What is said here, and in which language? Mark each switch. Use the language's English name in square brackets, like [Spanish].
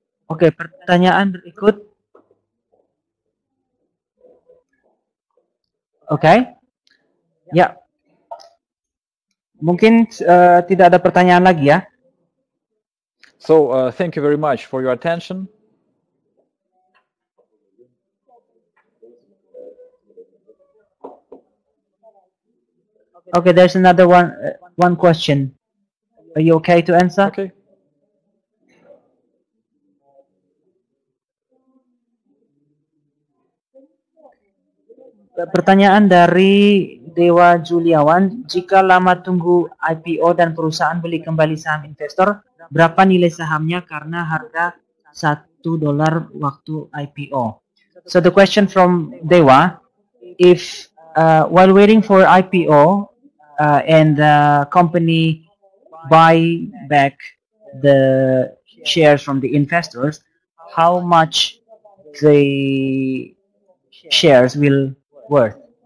[Indonesian] Okay, pertanyaan berikut. Okay. Ya. Mungkin tidak ada pertanyaan lagi ya. [English] So, thank you very much for your attention. Okay, there's another one question. Are you okay to answer? Okay. [Indonesian] Pertanyaan dari Dewa Juliawan, jika lama tunggu IPO dan perusahaan beli kembali saham investor, berapa nilai sahamnya karena harga $1 waktu IPO? [English] So the question from Dewa, if while waiting for IPO and the company buy back the shares from the investors, how much the shares will worth?